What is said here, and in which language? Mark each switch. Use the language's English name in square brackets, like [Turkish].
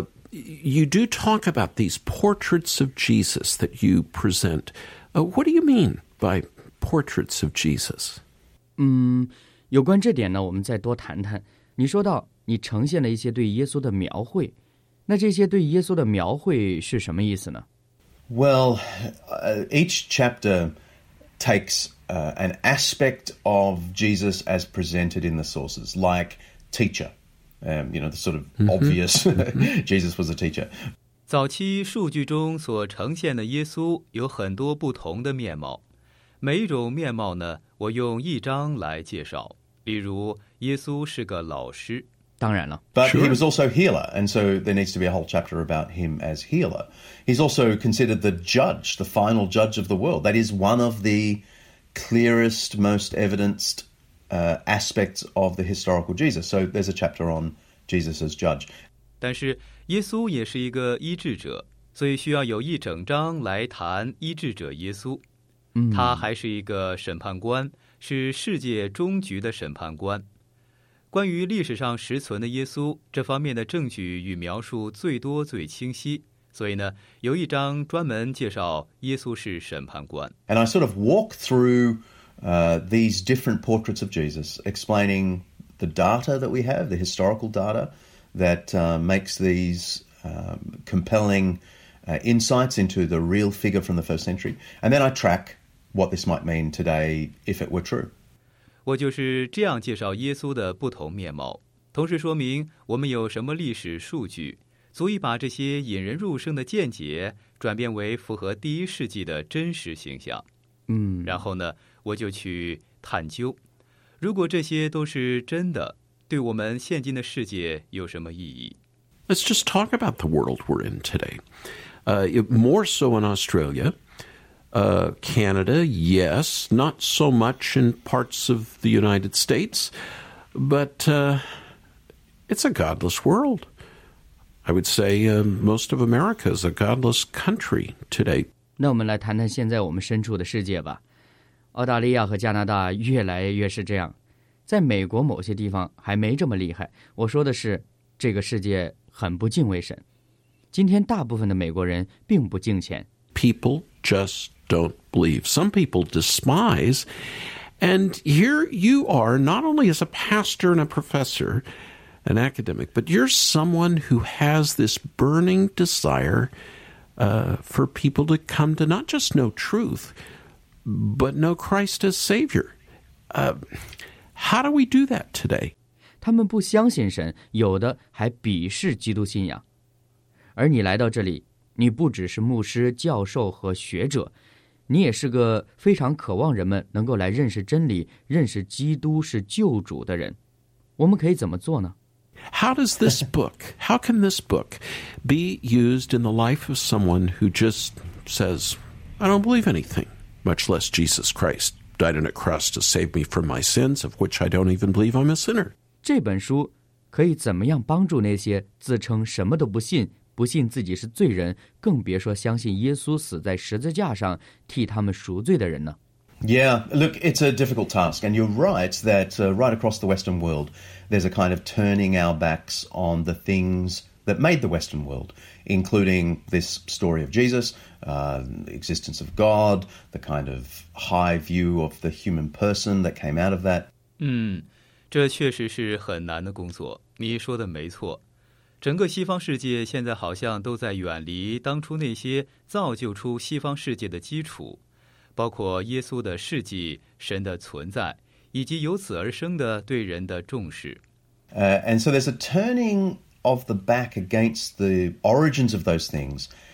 [English] You do talk about these portraits of Jesus that you present. What do you mean by portraits of Jesus? [Chinese] 有关这点呢，我们再多谈谈。你说到你呈现了一些对耶稣的描绘，那这些对耶稣的描绘是什么意思呢？ [English] Well, each chapter takes an aspect of Jesus as presented in the sources, like teacher. You know, the sort of obvious, Jesus was a teacher. [Chinese] 早期数据中所呈现的耶稣有很多不同的面貌。每一种面貌呢，我用一章来介绍。例如，耶稣是个老师。当然了。 [English] But he was also healer, and so there needs to be a whole chapter about him as healer. He's also considered the judge, the final judge of the world. That is one of the clearest, most evidenced,aspects of the historical Jesus. So there's a chapter on Jesus as judge. [Chinese] 但是耶稣也是一个医治者，所以需要有一整章来谈医治者耶稣。他还是一个审判官，是世界终局的审判官。关于历史上实存的耶稣，这方面的证据与描述最多最清晰，所以呢，有一章专门介绍耶稣是审判官。 [English] And I sort of walk through these different portraits of Jesus, explaining the data that we have, the historical data that makes these compelling insights into the real figure from the first century. And then I track what this might mean today if it were true. [Chinese] 我就是这样介绍耶稣的不同面貌，同时说明我们有什么历史数据，足以把这些引人入胜的见解转变为符合第一世纪的真实形象。然后呢，我就去探究，如果这些都是真的，对我们现今的世界有什么意义？ [English] Let's just talk about the world we're in today. More so in Australia. Canada, yes. Not so much in parts of the United States. But it's a godless world. I would say most of America is a godless country today. [Chinese] 那我们来谈谈现在我们身处的世界吧。澳大利亚和加拿大越来越是这样，在美国某些地方还没这么厉害。我说的是，这个世界很不敬畏神。今天大部分的美国人并不敬虔。 [English] People just don't believe. Some people despise. And here you are, not only as a pastor and a professor,an academic, but you're someone who has this burning desire for people to come to not just know truth, but know Christ as Savior. How do we do that today? [Chinese] 他们不相信神，有的还鄙视基督信仰。而你来到这里，你不只是牧师、教授和学者，你也是个非常渴望人们能够来认识真理、认识基督是救主的人。我们可以怎么做呢？ [English] How can this book be used in the life of someone who just says, I don't believe anything, much less Jesus Christ died on a cross to save me from my sins, of which I don't even believe I'm a sinner? [Chinese] 这本书可以怎么样帮助那些自称什么都不信，不信自己是罪人，更别说相信耶稣死在十字架上替他们赎罪的人呢？ [English] Yeah, look, it's a difficult task. And you're right that right across the Western world, there's a kind of turning our backs on the things that made the Western world, including this story of Jesus, the existence of God, the kind of high view of the human person that came out of that. [Chinese] 这确实是很难的工作。你说的没错。整个西方世界现在好像都在远离当初那些造就出西方世界的基础。包括耶稣的事迹、神的存在，以及由此而生的对人的重视。 [English] And so there's a turning of the back against the origins of those things.